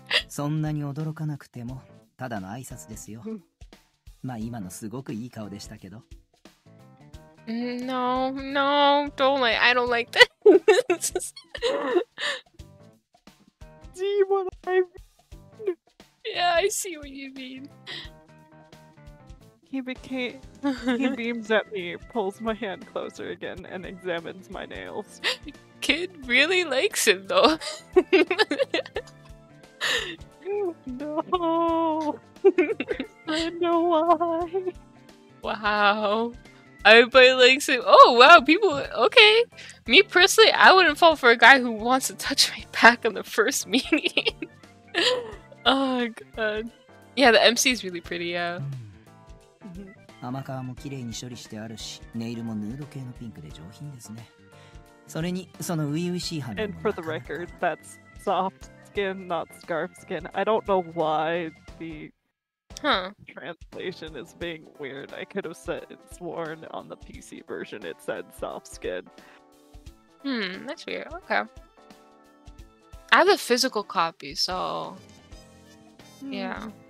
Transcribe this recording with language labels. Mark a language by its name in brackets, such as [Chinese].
[Japanese] そんなに驚かなくても、ただの挨拶ですよ。まあ今のすごくいい顔でしたけど。 [English] No, no, don't like, I don't like that. Do you know what I mean? Yeah, I see what you mean. He beams at me, pulls my hand closer again, and examines my nails. Kid really likes him, though. No. I know why. Wow. Everybody likes him. Oh, wow. People. Okay. Me personally, I wouldn't fall for a guy who wants to touch my back on the first meeting. Oh, God. Yeah, the MC is really pretty, yeah. [Japanese] 甘皮も綺麗に処理してあるし、ネイルもヌード系のピンクで上品ですね。それに、そのういういしい肌もなかなか。 [English] And for the record, that's soft skin, not scarf skin. I don't know why the translation is being weird. I could have said it's worn on the PC version. It said soft skin. That's weird. Okay. I have a physical copy, so... Yeah.